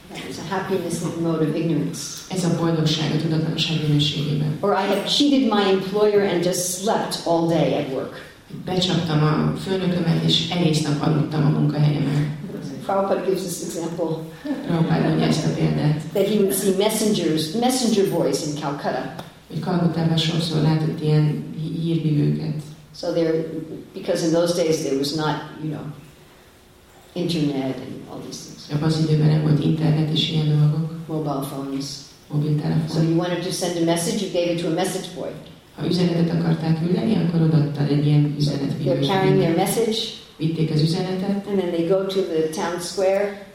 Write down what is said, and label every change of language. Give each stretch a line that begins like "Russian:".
English: It's a happiness mode of ignorance.
Hungarian: Ez a boldogság a tudatlanság minőségében.
English: Or I have cheated my employer and just slept all day at work.
Hungarian: Becsaptam a főnökömet és egész nap aludtam a munkahelyemen.
English: Prabhupada gives this example.
Hungarian: Prabhupada mondja ezt a példát.
English: That he would see messenger boys in Calcutta.
Hungarian: Hogy Kalkutában sokszor látott ilyen hírvívőket.
English: So there, because in those days there was not, you know, internet and all these things.
Hungarian: Ebben az időben nem volt internet és ilyen dolgok.
English: Mobile phones.
Hungarian: Mobiltelefon.
English: So you wanted to send a message, you gave it to a message boy.
Hungarian: Ha üzenetet akarták küldeni, akkor odaadtad egy ilyen üzenetvívőt.
English: They're carrying their message.
Hungarian: Vitték az üzenetet.
English: And then they go to the town square.